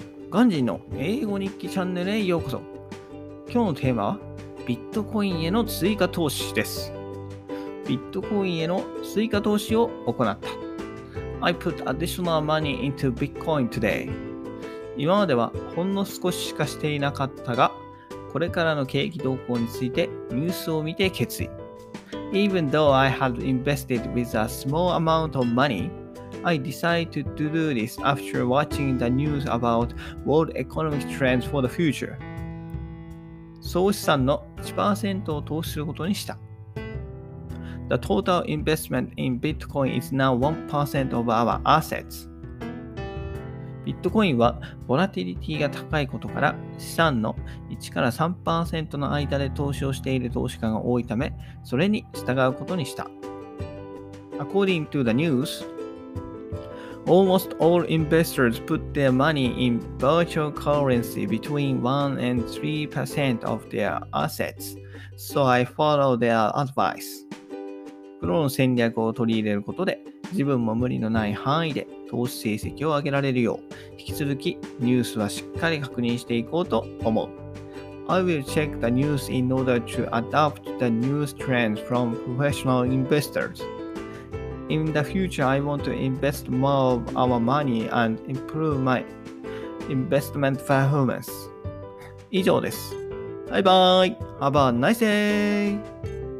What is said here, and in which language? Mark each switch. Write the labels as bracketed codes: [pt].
[ja] ガンジーの英語日記チャンネルへようこそ。今日のテーマはビットコインへの追加投資です。ビットコインへの追加投資を行った。 [en] I put additional money into Bitcoin today。 [ja] 今まではほんの少ししかしていなかったが、これからの景気動向についてニュースを見て決意。 [en] Even though I had invested with a small amount of money, I decided to do this after watching the news about world economic trends for the future. [ja] 総資産の 1% を投資することにした。 [en] The total investment in Bitcoin is now 1% of our assets. [ja] Bitcoin はボラティリティが高いことから、資産の1から3%の間で投資をしている投資家が多いため、それに従うことにした。 [en] According to the news, almost all investors put their money in virtual currency between 1 and 3% of their assets, so I follow their advice. [ja] プロの戦略を取り入れることで、自分も無理のない範囲で投資成績を上げられるよう、引き続きニュースはしっかり確認していこうと思う。 [en] I will check the news in order to adapt the news trends from professional investors. In the future, I want to invest more of our money and improve my investment performance. [ja] 以上です。バイバイ。 [en] Have a nice day!